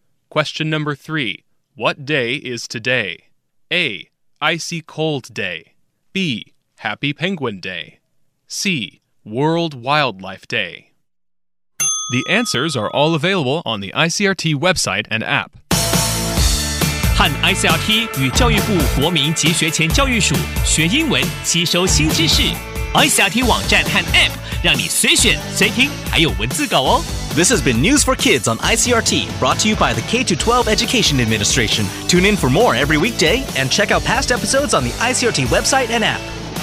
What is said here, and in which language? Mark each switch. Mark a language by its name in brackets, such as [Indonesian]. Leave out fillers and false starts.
[English] Question number three. What day is today? A. Icy Cold Day. B. Happy Penguin Day. C. World Wildlife Day. The answers are all available on the ICRT website and app. [Chinese] 和 ICRT 与教育部国民及学前教育署学英文吸收新知识 ICRT 网站和 App， 让你随选随听，还有文字稿哦。 [English] This has been News for Kids on ICRT, brought to you by the K-12 Education Administration. Tune in for more every weekday, and check out past episodes on the ICRT website and app.